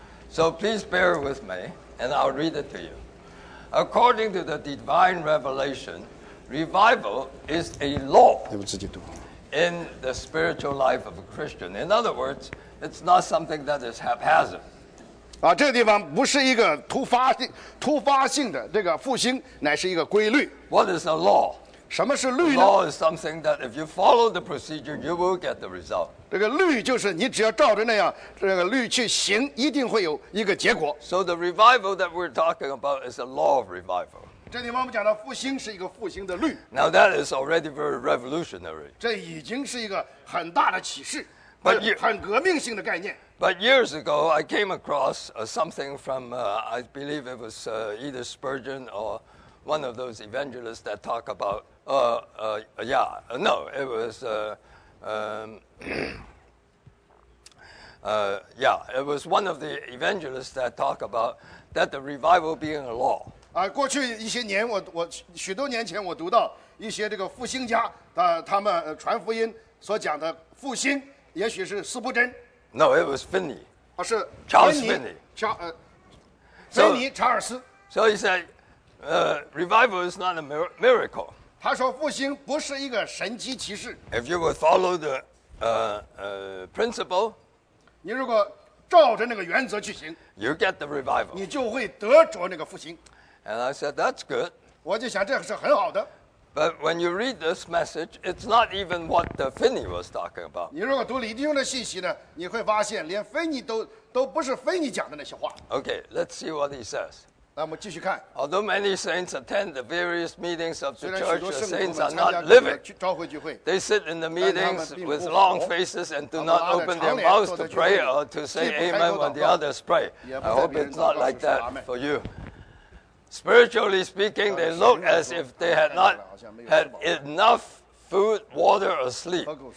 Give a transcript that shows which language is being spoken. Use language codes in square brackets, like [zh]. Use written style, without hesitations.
[en] So please bear with me, and I'll read it to you. According to the divine revelation, revival is a law in the spiritual life of a Christian. In other words, it's not something that is haphazard. [zh] 这个地方不是一个突发性的这个复兴，乃是一个规律。 [en] What is a law? [zh] 什么是律呢 [en] ？The law is something that if you follow the procedure, you will get the result. [zh] 这个律就是你只要照着那样这个律去行，一定会有一个结果。 [en] So the revival that we're talking about is a law of revival. [zh] 这里我们讲的复兴是一个复兴的律。 [en] Now that is already very revolutionary. [zh] 这已经是一个很大的启示，很革命性的概念。 [en] But years ago, I came across something from I believe it was either Spurgeon or. One of those evangelists that talk about, it was one of the evangelists that talk about that the revival being a law. [zh] 过去一些年，我许多年前我读到一些这个复兴家他们传福音所讲的复兴，也许是斯布珍。 [en] No, it was Finney. [zh] 是 [en] Charles Finney. [zh] Finney 查尔斯。 [en] So he said. Revival is not a miracle. [zh] 他说复兴不是一个神迹奇事。 [en] If you would follow the principle, [zh] 你如果照着那个原则去行 [en] ，you get the revival. [zh] 你就会得着那个复兴。 [en] And I said that's good. [zh] 我就想这是很好的。 [en] But when you read this message, it's not even what the Finney was talking about. [zh] 你如果读李弟兄的信息呢，你会发现连芬尼都不是芬尼讲的那些话。 [en] Okay, let's see what he says. [zh] 那我们继续看。 [en] Although many saints attend the various meetings of the church, the saints are not living. They sit in the meetings with long faces and do not open their mouths to pray or to say amen when the others pray. I hope it's not like that for you. Spiritually speaking, they look as if they had not had enough food, water, or sleep.